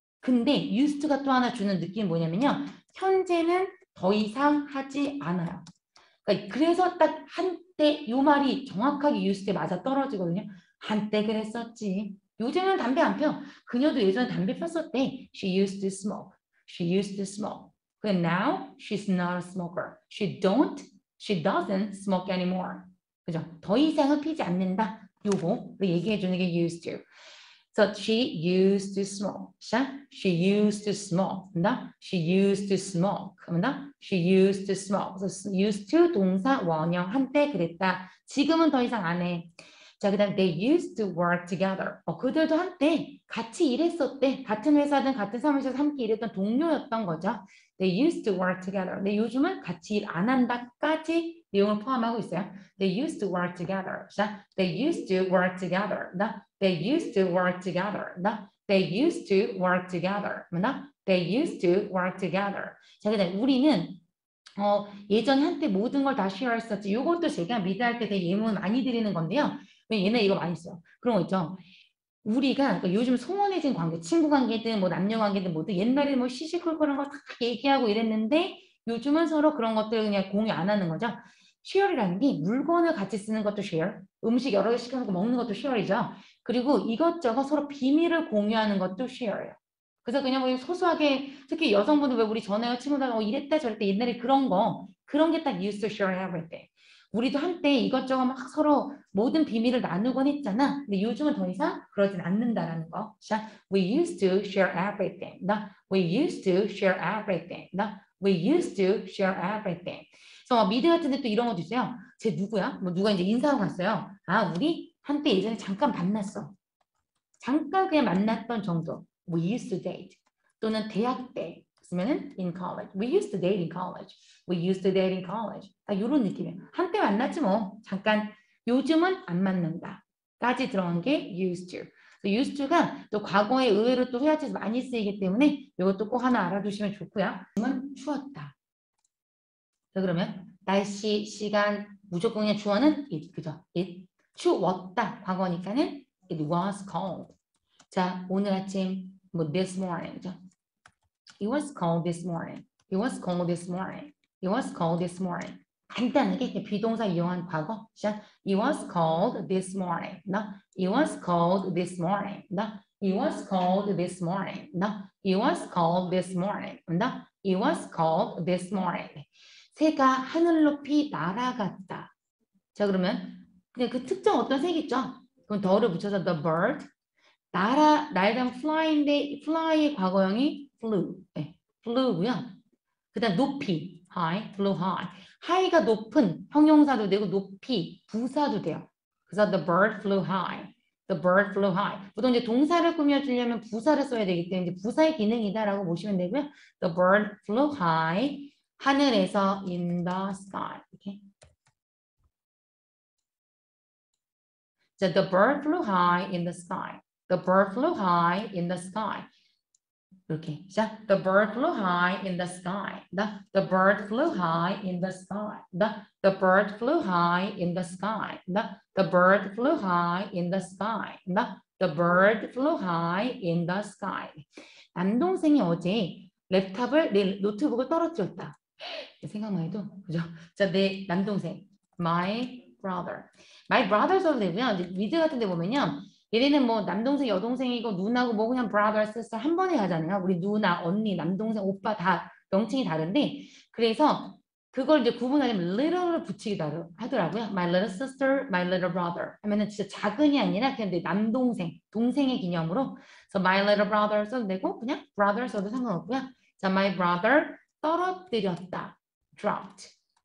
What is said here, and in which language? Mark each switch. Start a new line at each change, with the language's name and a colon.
Korean: 근데 used가 또 하나 주는 느낌이 뭐냐면요. 현재는 더 이상 하지 않아요. 그래서 딱 한때 요 말이 정확하게 used에 맞아 떨어지거든요. 한때 그랬었지. 요즘은 담배 안 펴. 그녀도 예전에 담배 폈었대.
English: She used to smoke. She used to smoke. But now she's not a smoker. She doesn't smoke anymore.
Korean: 그죠? 더 이상은 피지 않는다. 요거 얘기해 주는 게 used to.
English: So she used to smoke. She used to smoke. She used to smoke. She used to smoke.
Korean: So used to 동사 원형 한때 그랬다. 지금은 더 이상 안 해.
English: 자, 그다음 they used to work together.
Korean: 그들도 한때 같이 일했었대. 같은 회사든 같은 사무실에서 함께 일했던 동료였던 거죠.
English: They used to work together.
Korean: 근데 요즘은 같이 일안 한다까지 이걸 포함하고 있어요.
English: They used to work together. 자, they used to work together. 나, they used to work together. 나, they used to work together. 나, they used to work together.
Korean: 자, 근데 우리는 예전 한때 모든 걸 다 share 했었지. 이것도 제가 미드할 때 되게 예문 많이 드리는 건데요. 얘네 이거 많이 써. 그런 거 있죠. 우리가 그러니까 요즘 소원해진 관계, 친구 관계든 뭐 남녀 관계든 뭐든 옛날에 뭐 시시콜콜한 거 다 얘기하고 이랬는데 요즘은 서로 그런 것들 그냥 공유 안 하는 거죠. share이라는 게 물건을 같이 쓰는 것도 share, 음식 여러 개 시켜놓고 먹는 것도 share이죠. 그리고 이것저것 서로 비밀을 공유하는 것도 share예요. 그래서 그냥 뭐 소소하게 특히 여성분들 왜 우리 전에 친구들 이랬다 저랬다 옛날에 그런 거 그런 게 딱 used to share 할 때 우리도 한때 이것저것 막 서로 모든 비밀을 나누곤 했잖아. 근데 요즘은 더 이상 그러진 않는다라는 거.
English: 자, we used to share everything. 나, we used to share everything. 나, we used to share everything.
Korean: 그래서 미드 같은 데 또 이런 것도 있어요. 쟤 누구야? 뭐 누가 이제 인사하고 갔어요. 아, 우리 한때 예전에 잠깐 만났어. 잠깐 그냥 만났던 정도.
English: We used to date.
Korean: 또는 대학 때.
English: 그러면은 in college. We used to date in college. We used to date in college.
Korean: 아, 이런 느낌이에요. 한때 만났지 뭐. 잠깐 요즘은 안 만난다. 까지 들어간 게 used to. So used to가 또 과거에 의외로 또 회화체에서 많이 쓰이기 때문에 이것도 꼭 하나 알아두시면 좋고요. 지금은 추웠다. 자, 그러면 날씨, 시간, 무조건 그냥 주어는 it. 그죠? It. 추웠다.
English: 과거니까는 it was cold.
Korean: 자, 오늘 아침 뭐 this morning.
English: 자, It was cold this morning. It was cold this morning. It was cold this morning. 간단하게 비동사 이용한 과거. It was cold this morning. No. It was cold this morning. No. It was cold this morning. No. It was cold this morning. No. It was cold this morning.
Korean: 새가 하늘 높이 날아갔다. 자 그러면 근데 그 특정 어떤 새겠죠? 그럼 더를 붙여서 the bird. 날던 fly인데 fly의 과거형이 flew, 네, flew고요.
English: 그다음 높이 high, flew high.
Korean: high가 높은 형용사도 되고 높이 부사도 돼요.
English: 그래서 the bird flew high, the bird flew high.
Korean: 보통 이제 동사를 꾸며주려면 부사를 써야 되기 때문에 이제 부사의 기능이다라고 보시면 되고요.
English: the bird flew high, 하늘에서 in the sky.
Korean: 이렇게.
English: 자, the bird flew high in the sky. The bird flew high in the sky. 이렇게 자, the bird flew high in the sky. The bird flew high in the sky. The bird flew high in the sky. The bird flew high in the sky. The bird flew high in the sky.
Korean: 남동생이 어제 랩탑을 내 노트북을 떨어뜨렸다. 생각만 해도 그죠? 자, 내 남동생, my brother. My brother 써도 되고요. 미드 같은 데 보면요. 얘네는 뭐 남동생 여동생이고 누나고 뭐 그냥 brother sister 한 번에 하잖아요. 우리 누나 언니 남동생 오빠 다 명칭이 다른데 그래서 그걸 이제 구분하려면 little를 붙이기도 하더라고요.
English: My little sister, my little brother
Korean: 하면은 진짜 작은이 아니라 그냥 내 남동생 동생의 기념으로
English: so my little brother
Korean: 써도 되고 그냥 brother 써도 상관없고요.
English: 자 my brother
Korean: 떨어뜨렸다
English: dropped.